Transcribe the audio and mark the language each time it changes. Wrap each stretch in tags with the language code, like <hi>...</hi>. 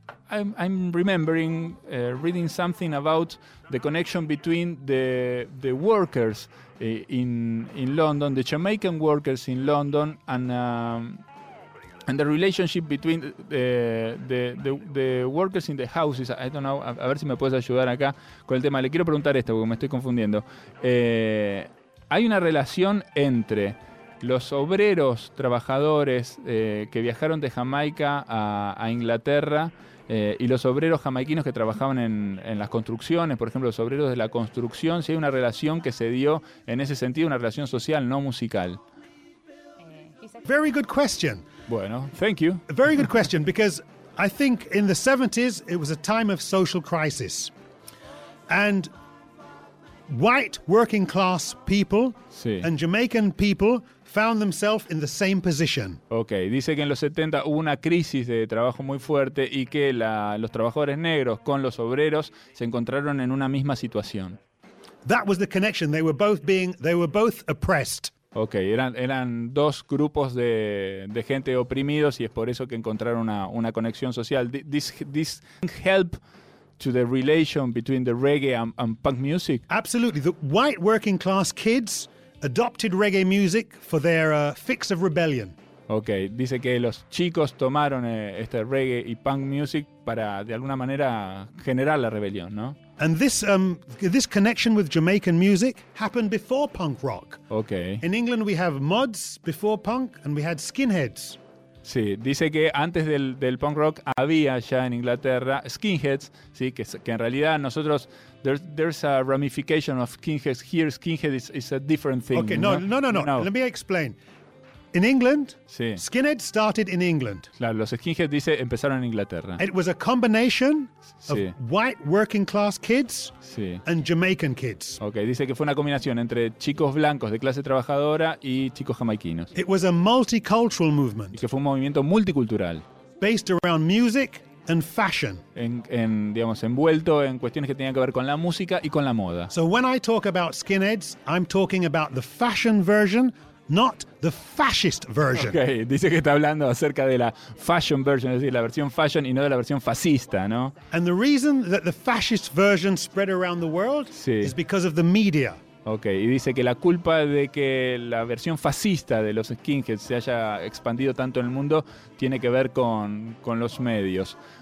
<en>I'm remembering reading something about the connection between the workers in London, the Jamaican workers in London, and the relationship between the workers in the houses. I don't know.</en> <es>A ver si me puedes ayudar acá con el tema. Le quiero preguntar esto porque me estoy confundiendo. Hay una relación entre los obreros trabajadores que viajaron de Jamaica a Inglaterra y los obreros jamaiquinos que trabajaban en las construcciones, por ejemplo, los obreros de la construcción, si hay una relación que se dio en ese sentido, una relación social, no musical.</es> <en>Very good question.</en> <es>Bueno,</es> <en>thank you. A very good question, because I think in the 70s it was a time of social crisis. And white working class people and Jamaican people found themselves in the same position.</en> <es>Okay, dice que en los 70 hubo una crisis de trabajo muy fuerte y que los trabajadores negros con los obreros se encontraron en una misma situación.</es> <en>That was the connection. They were both oppressed.</en> <es>Okay, eran dos grupos de gente oprimidos y es por eso que encontraron una conexión social.</es> <en>This help to the relation between the reggae and punk music. Absolutely. The white working class kids adopted reggae music for their fix of rebellion.</en> <es>Okay, dice que los chicos tomaron este reggae y punk music para de alguna manera generar la rebelión, ¿no?</es> <en>And this connection with Jamaican music happened before punk rock. Okay. In England we have mods before punk and we had skinheads.</en> <es>Sí, dice que antes del punk rock había ya en Inglaterra skinheads, sí, que en realidad nosotros</es> <en>there's a ramification of skinheads here. Skinhead is a different thing. Okay, no. Let me explain. In England, skinheads started in England.</en> <es>Claro, los skinheads dice empezaron en Inglaterra.</es> <en>It was a combination of white working class kids and Jamaican kids.</en> <es>Okay, dice que fue una combinación entre chicos blancos de clase trabajadora y chicos jamaiquinos.</es> <en>It was a multicultural movement.</en> <es>Y que fue un movimiento multicultural.</es> <en>Based around music and fashion.</en> <es>En digamos envuelto en cuestiones que tenían que ver con la música y con la moda.</es> <en>So when I talk about skinheads, I'm talking about the fashion version, not the fascist version.</en> <es>Okay, dice que está hablando acerca de la fashion version, es decir, la versión fashion y no de la versión fascista, ¿no?</es> <en>And the reason that the fascist version spread around the world is because of the media.</en> <es>Okay, y dice que la culpa de que la versión fascista de los skinheads se haya expandido tanto en el mundo tiene que ver con los medios.</es>